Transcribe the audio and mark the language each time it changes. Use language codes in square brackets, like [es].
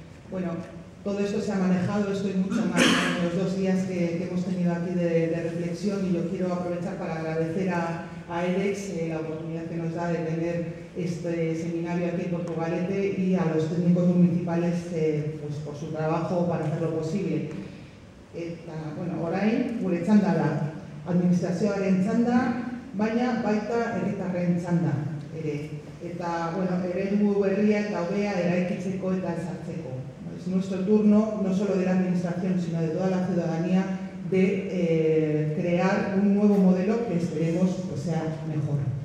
[es] Bueno, todo esto se ha manejado, estoy mucho más en los dos días que hemos tenido aquí de reflexión, y yo quiero aprovechar para agradecer a EDEX la oportunidad que nos da de tener este seminario aquí en Portugalete, y a los técnicos municipales pues por su trabajo para hacerlo posible. [eu] Eta, bueno, orain, gure txanda da, administrazioaren txanda, baina baita herritarren txanda ere. Eta, bueno, eredu berria eta hobea eraikitzeko eta ezartzeko. [es] Es nuestro turno, no solo de la administración, sino de toda la ciudadanía, de crear un nuevo modelo que esperemos pues sea mejor.